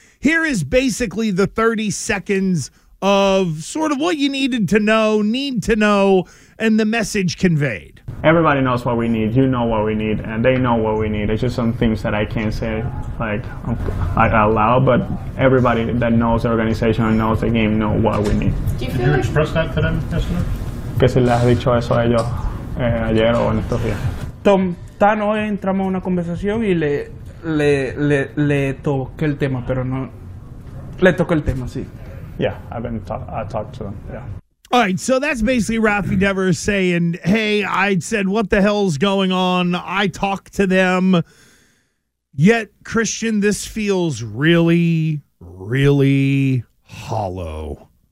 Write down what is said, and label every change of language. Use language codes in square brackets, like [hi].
[en] Here is basically the 30 seconds of sort of what you needed to know, need to know, and the message conveyed. Everybody knows what we need. You know what we need, and they know what we need. It's just some things that I can't say like out loud, but everybody that knows the organization and knows the game know what we need. Did you express that to them yesterday? [es] Que se les ha dicho eso a ellos ayer o en estos días. Tan hoy entramos a una conversación y le toqué el tema, sí. [en] Yeah, I talked to them, yeah. All right, so that's basically Rafi Devers saying, hey, I said, what the hell's going on? I talked to them. Yet, Christian, this feels really, really hollow.